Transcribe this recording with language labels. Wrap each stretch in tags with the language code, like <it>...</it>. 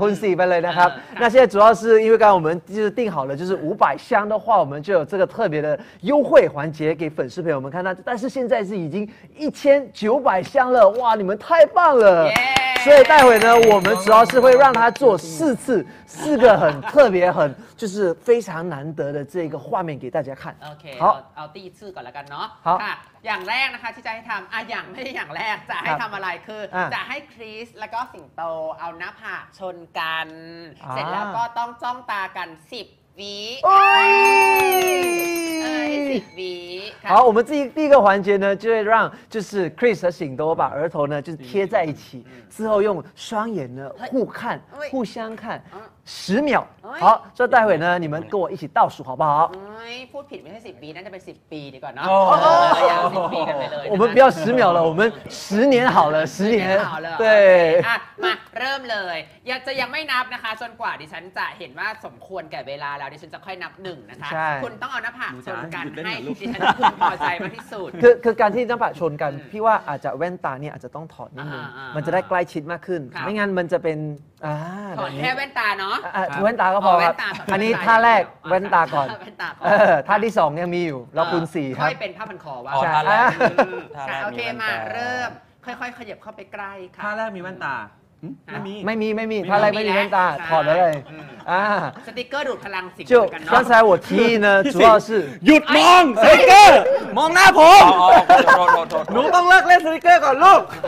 <th>คูณ4ไปเลยนะครับ</th> <zh>那现在主要是因为刚刚我们就是定好了就是500箱的话我们就有这个特别的优惠环节给粉丝朋友们看到但是现在是已经1,900 箱了哇你们太棒了、</zh> <en>yeah！</en> <zh>所以待会呢我们主要是会让他做四个很特别很就是非常难得的这个画面给大家看</zh> <th>OK 好เอาที่4ก่อนละกันเนาะ ค่ะ อย่างแรกนะคะที่จะให้ทําอย่างไม่ใช่อย่างแรกจะให้ทําอะไรคือจะให้คริสแล้วก็สิงโตเอาหน้าผากชนกันเสร็จแล้วก็ต้องจ้องตากัน10วิ โอ้ย 10วิ</th> <zh>好我们第一个环节呢就会让就是 Chris 和醒多把额头呢就是贴在一起之后用双眼呢互看互相看10秒好所以待会呢你们跟我一起倒数好不好</zh> <th>พูดผิดไม่ใช่10ปีนั่นจะเป็น10ปีดีกว่าเนาะ10ปีกันไปเลย</th> <zh>我们不要10秒了我们10年好了10年好了对</zh> <th>มาเริ่มเลยยังจะยังไม่นับนะคะจนกว่าดิฉันจะเห็นว่าสมควรแก่เวลาแล้วดิฉันจะค่อยนับ1นะคะคุณต้องเอาหน้าผากชนกันให้ดิฉันพอใจมากที่ สุ ด คือการที่หน้าผากชนกันพี่ว่าอาจจะแว่นตาเนี่ยอาจจะต้องถอดนิดนึงมันจะได้ใกล้ชิดมากขึ้นไม่งั้นมันจะเป็น ถอดแค่แว่นตาเน า ะ แว่นตาก็พอครับอันนี้ท่าแรกแว่นตาก่อนท่าที่2ยังมีอยู่เราคูณ4ครับ ค่อยเป็นผ้าพันคอว่ าท่าแรก โอเคมาเริ่มค่อยๆขยับเข้าไปใกล้ค่ะ ท่าแรกมีแว่นตา ไม่มีท่าแรกไม่มีแว่นตาถอดเลย สติ๊กเกอร์ดูดพลังสิง ห์กันเนาะ</th> <zh>就刚才我提议呢主要是</zh> <th>หยุดมองสติ๊กเกอร์มองหน้าผมหนูต้องเลิกเล่นสติ๊กเกอร์ก่อนลูก</th>